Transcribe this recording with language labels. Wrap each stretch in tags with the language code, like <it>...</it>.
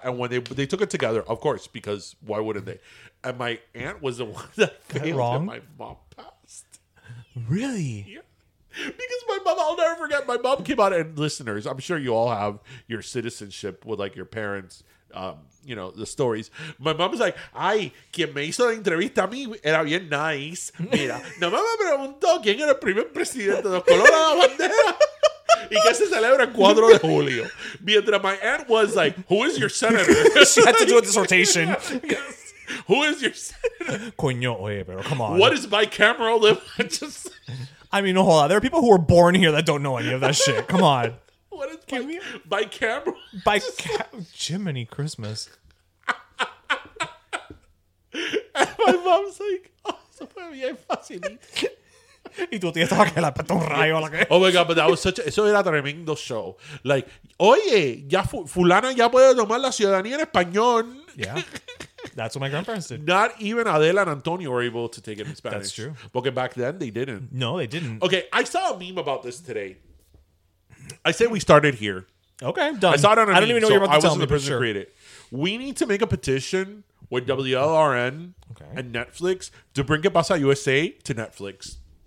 <en>And when they took it together, of course, because why wouldn't they? And my aunt was the one that failed and my mom passed. Really? Yeah. Because my mom, I'll never forget, my mom came out, and listeners, I'm sure you all have your citizenship with like your parents, you know, the stories. My mom was like,</en> <es>ay, quien me hizo la entrevista a mí era bien nice. Mira, no me preguntó quién era el primer presidente de los colores de la bandera. Y que se celebra el 4 de julio.</es> <en>Mientras my aunt was like, who is your senator? She had to do a dissertation. Who is your senator?</en> <es>Coño, oye, pero</es> <en>come on. What is bicameral? Just... I mean, hold on. There are people who were born here that don't know any of that shit. Come on. What is bicameral? Jiminy Christmas. And my mom's like, oh,</en> <es>eso fue bien fácil. Y tu tía estaba que la peta un rayo.</es> <en>Oh my God, but that was such a...</en> <es>Eso era tremendo show. Like, oye, ya fulana ya puede tomar la ciudadanía en español.</es> <en>Yeah. That's what my grandparents did. Not even Adela and Antonio were able to take it in Spanish. That's true. Porque back then, they didn't. No, they didn't. Okay, I saw a meme about this today. I say we started here. Okay, done. I saw it on a meme. I don't even know what you're about to tell me. I was the person to create it. We need to make a petition with WLRN and Netflix to bring it Pasa USA to Netflix.</en>